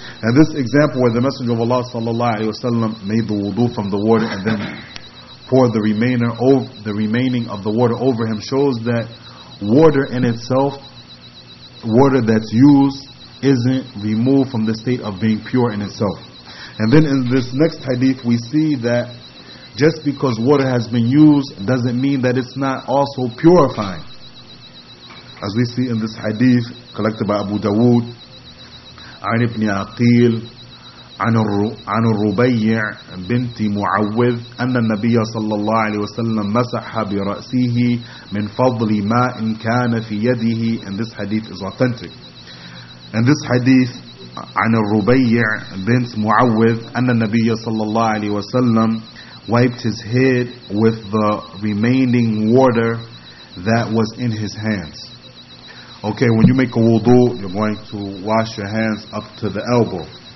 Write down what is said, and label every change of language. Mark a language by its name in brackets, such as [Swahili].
[English] And this example where the Messenger of Allah sallallahu alayhi wasallam made the wudu from the water and then pour the remaining of the water over him, shows that water in itself, water that's used, isn't removed from the state of being pure in itself. And then in this next hadith, we see that just because water has been used doesn't mean that it's not also purifying. as we see in this hadith collected by Abu Dawood, [Arabic] عن ابن عقيل عن الربيع بنت معوذ أن النبي صلى الله عليه وسلم مسح برأسه من فضل ما إن كان في يده. [English] And this hadith is authentic. And this hadith [Arabic] عن الربيع بنت معوذ أن النبي صلى الله عليه وسلم [English] wiped his head with the remaining water that was in his hands. Okay, when you make a wudu, you're going to wash your hands up to the elbow.